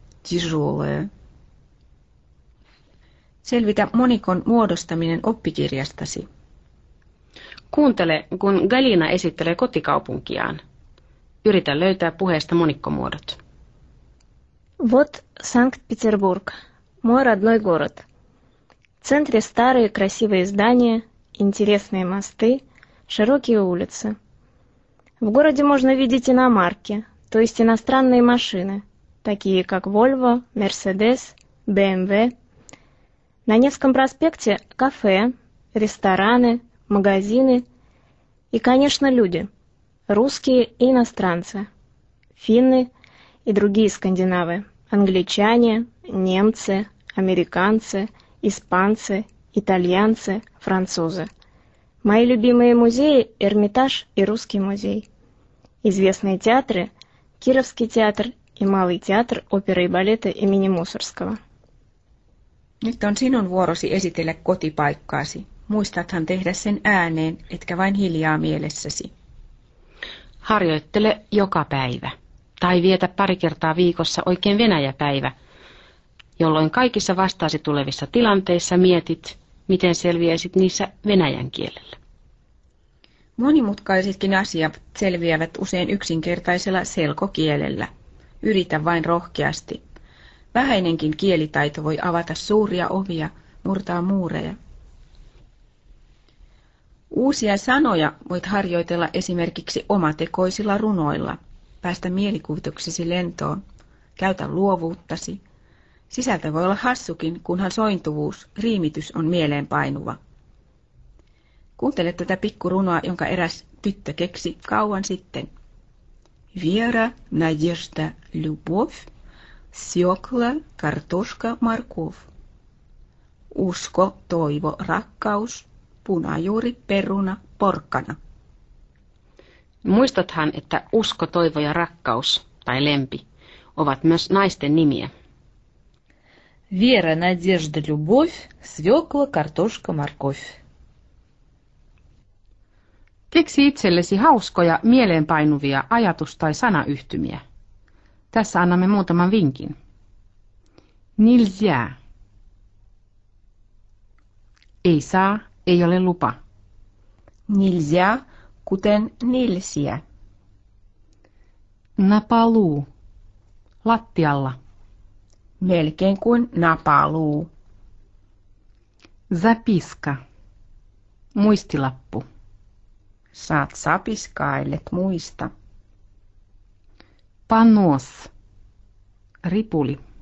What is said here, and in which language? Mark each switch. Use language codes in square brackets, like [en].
[ru] Тяжелое. [fi] Selvitä monikon muodostaminen oppikirjastasi. Kuuntele, kun Galina esittelee kotikaupunkiaan. Yritä löytää puheesta monikkomuodot. [ru] Вот Санкт-Петербург. Мой родной город. В центре старые красивые здания, интересные мосты, широкие улицы. В городе можно видеть иномарки, то есть иностранные машины, такие как Volvo, Mercedes, BMW. На Невском проспекте кафе, рестораны, магазины и, конечно, люди, русские и иностранцы, финны и другие скандинавы, англичане, немцы, американцы, испанцы, итальянцы, французы. Мои любимые музеи – Эрмитаж и Русский музей. Известные театры – Кировский театр и Малый театр оперы и балета имени Мусоргского. [fi] Nyt on sinun vuorosi esitellä kotipaikkaasi. Muistathan tehdä sen ääneen, etkä vain hiljaa mielessäsi. Harjoittele joka päivä. Tai vietä pari kertaa viikossa oikein venäjäpäivä, jolloin kaikissa vastaasi tulevissa tilanteissa mietit, miten selviäisit niissä venäjän kielellä. Monimutkaisetkin asiat selviävät usein yksinkertaisella selkokielellä. Yritä vain rohkeasti. Vähäinenkin kielitaito voi avata suuria ovia, murtaa muureja. Uusia sanoja voit harjoitella esimerkiksi omatekoisilla runoilla. Päästä mielikuvituksesi lentoon. Käytä luovuuttasi. Sisältö voi olla hassukin, kunhan sointuvuus, riimitys on mieleenpainuva. Kuuntele tätä pikkurunoa, jonka eräs tyttö keksi kauan sitten. [ru] Viera, nadežda, любовь, сёкла, картошка, морковь. [fi] Usko, toivo, rakkaus, punajuuri, peruna, porkkana. Muistathan, että usko, toivo ja rakkaus, tai lempi, ovat myös naisten nimiä. [ru] Viera, nadežda, любовь, сёкла, картошка, морковь. [fi] Keksi itsellesi hauskoja, mieleenpainuvia ajatus- tai sanayhtymiä. Tässä annamme muutaman vinkin. [ru] Нельзя. [fi] Ei saa, ei ole lupa. [ru] Нельзя, kuten нельзя. На полу. [fi] Lattialla. Melkein kuin [ru] на полу. Записка. [fi] Muistilappu. Saat sapiskaa, ellet muista. Panos. Ripuli.